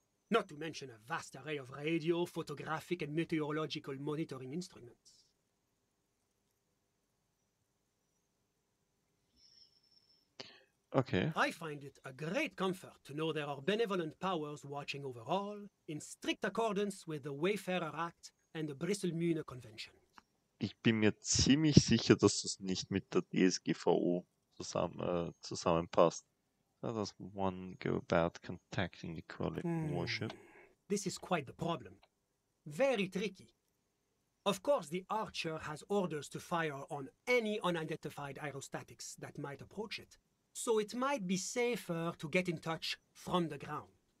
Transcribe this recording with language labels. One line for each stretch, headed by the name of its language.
English: Not to mention a vast array of radio, photographic and meteorological monitoring instruments. Okay. I find it a great comfort to know there are benevolent powers watching over all, in strict accordance with the Wayfarer Act and the Brüssel-Münner Convention.
German: Ich bin mir ziemlich sicher, dass das nicht mit der DSGVO zusammenpasst.
English: How does one go about contacting the Coalition Warship? This is quite the problem. Very tricky. Of course, the Archer has orders to fire on any unidentified aerostatics that might approach it. So it might be safer to get in touch from the ground.